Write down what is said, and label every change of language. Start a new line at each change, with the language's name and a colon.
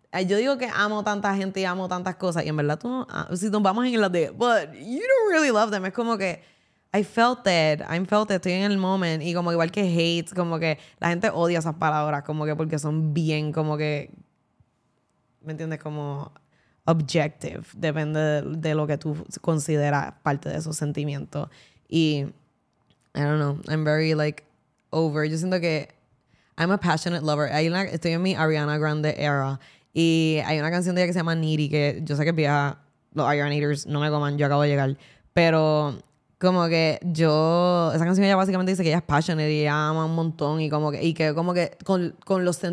Spanish: Yo digo que amo tanta gente y amo tantas cosas, y en verdad tú no... Si nos vamos en las de,
English: but you don't really love them,
Spanish: es como que...
English: I felt it.
Spanish: Estoy en el moment. Y como igual que hate, como que la gente odia esas palabras, como que porque son bien, como que, ¿me entiendes? Como objective. Depende de lo que tú consideras parte de esos sentimientos.
English: Y, I don't know, I'm very, like, over.
Spanish: Yo siento que
English: I'm a passionate lover.
Spanish: Estoy en mi Ariana Grande era. Y hay una canción de ella que se llama Needy, que yo sé que es vieja. Los Arianators no me coman, yo acabo de llegar. Pero... Como que yo... Esa canción ella básicamente dice que ella es passionate y ella ama un montón y que con los...